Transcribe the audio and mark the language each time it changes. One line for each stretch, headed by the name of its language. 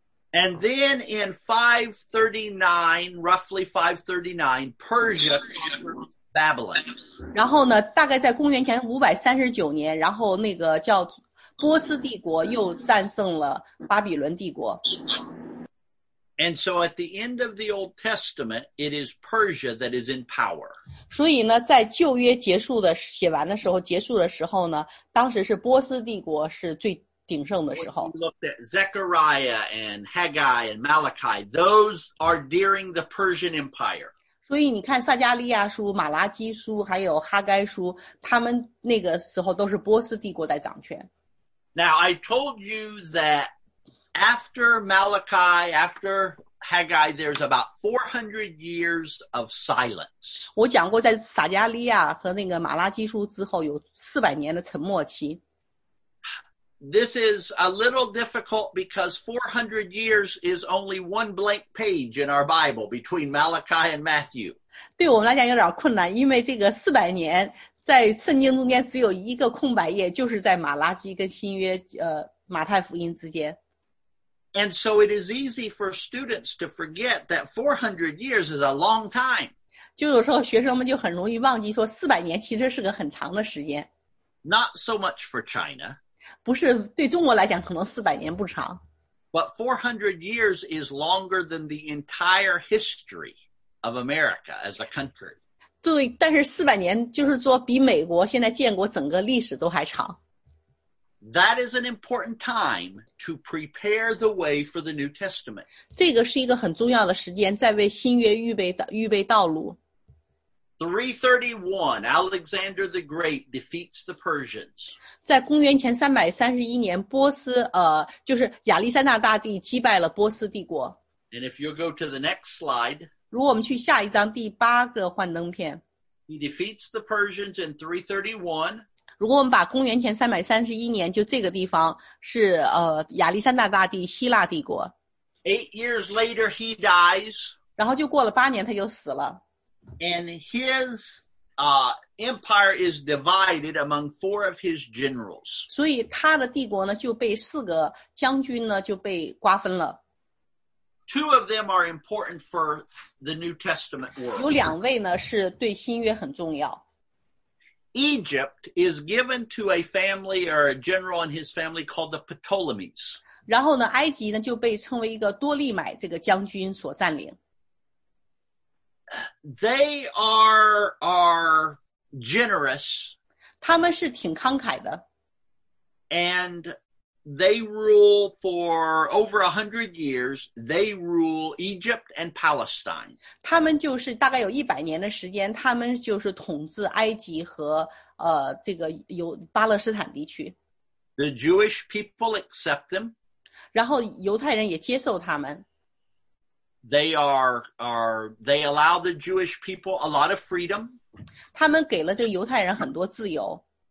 English: And then in 539, roughly 539, Persia conquers Babylon.
Chinese: 然后呢大概在公元前539年然后那个叫波斯帝国又战胜了巴比伦帝国。
English: And so at the end of the Old Testament, it is Persia that is in power.
Chinese: 所以呢在旧约结束的时候呢当时是波斯帝国是最鼎盛的时候。
English: When you looked at Zechariah and Haggai and Malachi, those are during the Persian Empire.
Chinese: 所以你看撒迦利亚书马拉基书还有哈该书他们那个时候都是波斯帝国在掌权。
English: Now, I told you that after Malachi, after Haggai, there's about 400 years of silence.
Chinese: 我讲过在撒迦利亚和那个马拉基书之后有400年的沉默期。
English: This is a little difficult because 400 years is only one blank page in our Bible between Malachi and Matthew.
Chinese: 对我们来讲有点困难，因为这个400年在圣经中间只有一个空白页，就是在马拉基跟新约马太福音之间。
English: And so it is easy for students to forget that 400 years is a long time.
Chinese: 就有时候学生们就很容易忘记说400年其实是个很长的时间。
English: Not so much for China.
Chinese: 不是对中国来讲可能400年不长。
English: But 400 years is longer than the entire history of America as a country.
Chinese: 对但是400年就是说比美国现在建国整个历史都还长。
English: That is an important time to prepare the way for the New Testament.
Chinese: 这个是一个很重要的时间在为新约预备道路。
English: 331, Alexander the Great defeats the Persians.
Chinese: 在公元前331年，波斯就是亚历山大大帝击败了波斯帝国。
English: And if you go to the next slide,
Chinese: 如果我们去下一张第八个幻灯片。
English: He defeats the Persians in 331.
Chinese: 如果我们把公元前331年就这个地方是亚历山大大帝希腊帝国。
English: 8 years later he dies.
Chinese: 然后就过了八年他就死了。
English: And his empire is divided among 4 of his generals.
Chinese: 所以他的帝国呢就被四个将军呢就被瓜分了。
English: 2 of them are important for the New Testament world.
Chinese: 有两位呢是对新约很重要。
English: Egypt is given to a family or a general in his family called the Ptolemies.
Chinese: 然后呢埃及呢就被称为一个多利买这个将军所占领。
English: They are generous.
Chinese: 他们是挺慷慨的。
English: And they rule for over 100 years. They rule Egypt and Palestine.
Chinese: 他们就是大概有100年的时间，他们就是统治埃及和这个有巴勒斯坦地区。
English: The Jewish people accept them.
Chinese: 然后犹太人也接受他们。
English: They allow the Jewish people a lot of freedom.
Chinese: 他们给了这个犹太人很多自由。